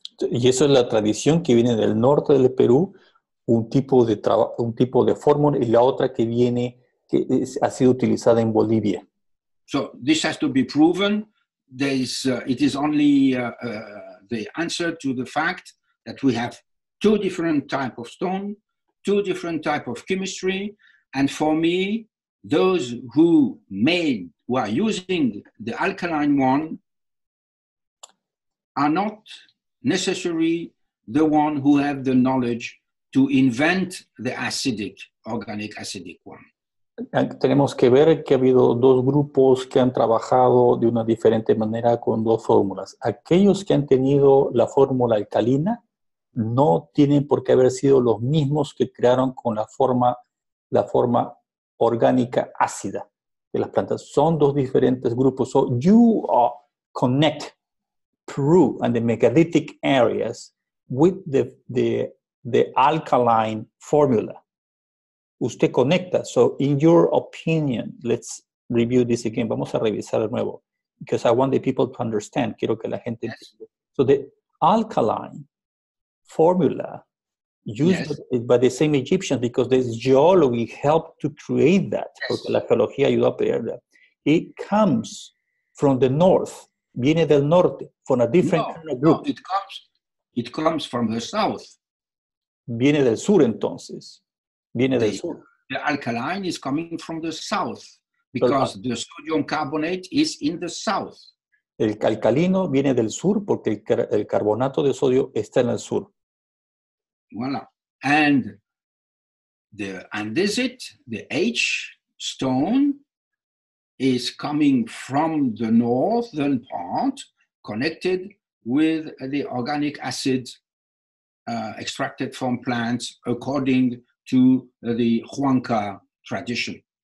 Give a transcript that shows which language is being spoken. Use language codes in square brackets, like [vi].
[es] Y eso es la tradición que viene del norte del Perú, un tipo de fórmula, y la otra que viene, que es, ha sido utilizada en Bolivia. [en] So this has to be proven. The answer to the fact that we have two different type of stone, two different type of chemistry, and for me, those who are using the alkaline one are not necessarily the one who have the knowledge to invent the acidic, organic acidic one. [es] Tenemos que ver que ha habido dos grupos que han trabajado de una diferente manera con dos fórmulas. Aquellos que han tenido la fórmula alcalina no tienen por qué haber sido los mismos que crearon con la forma orgánica ácida de las plantas. Son dos diferentes grupos. [en] So you connect Peru and the megalithic areas with the alkaline formula. [es] Usted conecta. [en] So, in your opinion, let's review this again. [es] Vamos a revisar de nuevo. [en] Because I want the people to understand. [es] Quiero que la gente entienda. [en] Yes. So, the alkaline formula used by the same Egyptians, because this geology helped to create that. Yes. [es] Porque la geología ayudó a crear [en] that. It comes from the north. [es] Viene del norte. [en] From a different kind of group. No, it comes from the south. [es] Viene del sur, entonces. Viene del sur. [en] The alkaline is coming from the south because the sodium carbonate is in the south. [es] El alcalino viene del sur porque el carbonato de sodio está en el sur. [fr] Voilà. [en] And the andesite, the H stone, is coming from the northern part, connected with the organic acid extracted from plants according to the Huanca tradition.